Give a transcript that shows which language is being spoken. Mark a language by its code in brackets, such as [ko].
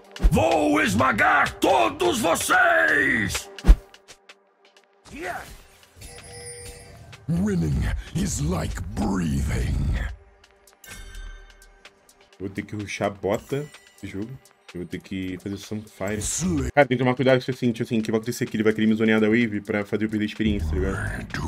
[pt] Vou esmagar todos vocês! [en] Winning is like breathing. [pt] Vou ter que ruxar a bota do jogo. Eu vou ter que fazer o Sunfire. Cara, tem que tomar cuidado se eu sentir assim, que vai acontecer que ele vai querer me zonear da Wave pra fazer eu perder a experiência, tá ligado?